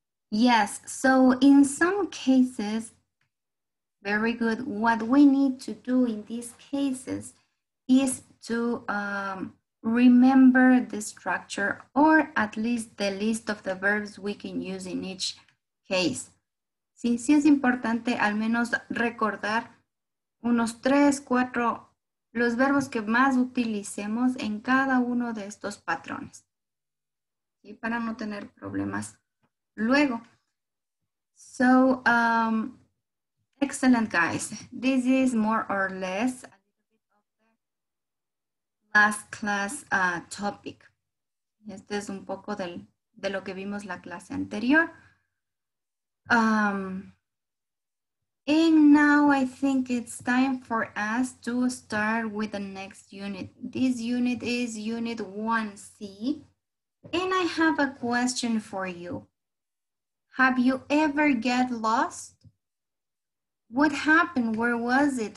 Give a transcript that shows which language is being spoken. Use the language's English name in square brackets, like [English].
[English] Yes, so in some cases, very good. What we need to do in these cases is to remember the structure or at least the list of the verbs we can use in each case. [Spanish] Sí, sí es importante al menos recordar unos tres, cuatro, los verbos que más utilicemos en cada uno de estos patrones. Y para no tener problemas luego. [English] So, excellent guys. This is more or less a little bit of the last class topic. [Spanish] Este es un poco de lo que vimos la clase anterior. [English] And now I think it's time for us to start with the next unit. This unit is unit 1C. And I have a question for you. Have you ever get lost? What happened? Where was it?